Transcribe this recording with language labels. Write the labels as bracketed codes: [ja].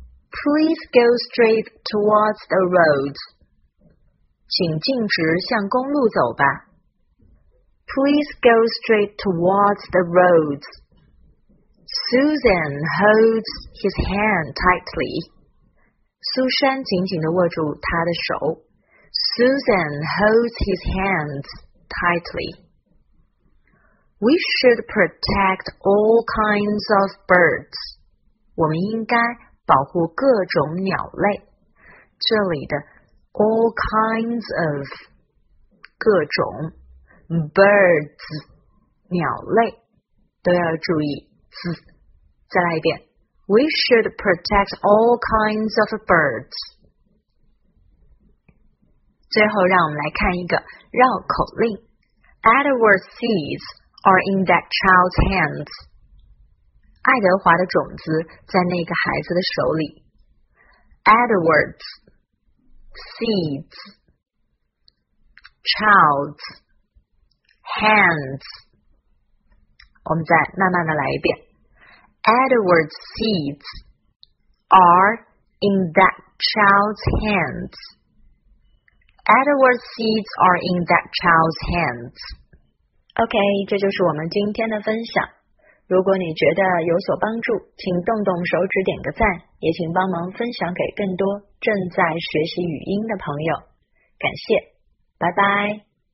[en] Please go straight towards the road. [zh] 请径直向公路走吧 [en] Please go straight towards the road. Susan holds his hand tightly. [zh] 苏珊紧紧地握住他的手 [en] Susan holds his hands tightly. We should protect all kinds of birds. [zh] 我们应该保护各种鸟类。这里的 [en] all kinds of [zh] 各种 [en] birds [zh] 鸟类都要注意。再来一遍。 [en] We should protect all kinds of birds. [zh] 最后让我们来看一个绕口令 [en] Edward's seeds are in that child's hands [zh] 爱德华的种子在那个孩子的手里 [en] Edward's seeds child's hands [zh] 我们再慢慢的来一遍 [en] Edward's seeds are in that child's handsEdward's seeds are in that child's hands. [zh] OK, 这就是我们今天的分享。如果你觉得有所帮助，请动动手指点个赞，也请帮忙分享给更多正在学习语音的朋友。感谢，拜拜。